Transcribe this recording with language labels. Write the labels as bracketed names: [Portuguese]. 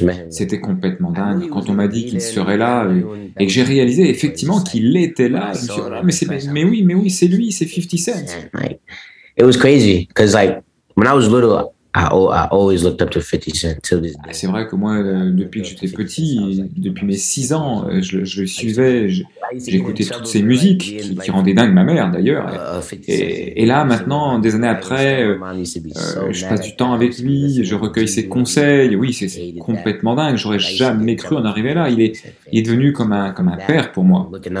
[French] C'était complètement dingue. Quand on m'a dit qu'il serait là et que j'ai réalisé effectivement qu'il était là, je me suis dit, ah, mais oui, c'est lui, c'est 50 Cent. [English] It was crazy, because like when I was little, I always looked up to 50 Cent. Till this day. [French] C'est vrai que moi, depuis que j'étais petit, depuis mes 6 ans, je le suivais, j'écoutais toutes ses musiques qui rendaient dingue ma mère d'ailleurs. Et là, maintenant, des années après, je passe du temps avec lui, je recueille ses conseils. Oui, c'est complètement dingue. J'aurais jamais cru en arriver là. Il est devenu comme un père pour moi.